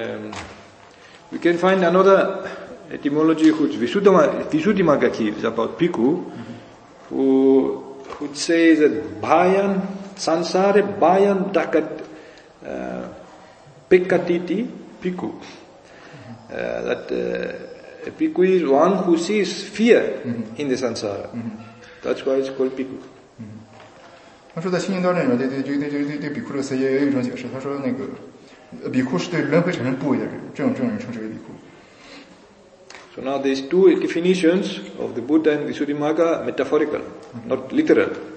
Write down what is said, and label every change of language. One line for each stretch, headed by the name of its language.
English: then, we can find another etymology which Visuddhimagga gives about bhikkhu, who would say that
Pali: bhayan sansare bhayan dakat pekatiti bhikkhu.
English: A bhikkhu is one who sees fear in the sansara. That's why it's called bhikkhu.
Chinese: 他说在清净道里面，对比库这个词也有一种解释。他说那个比库是对轮回产生怖畏的人，这种人称之为比库。
English: So now these two definitions of the Buddha and Visuddhimagga are metaphorical, not literal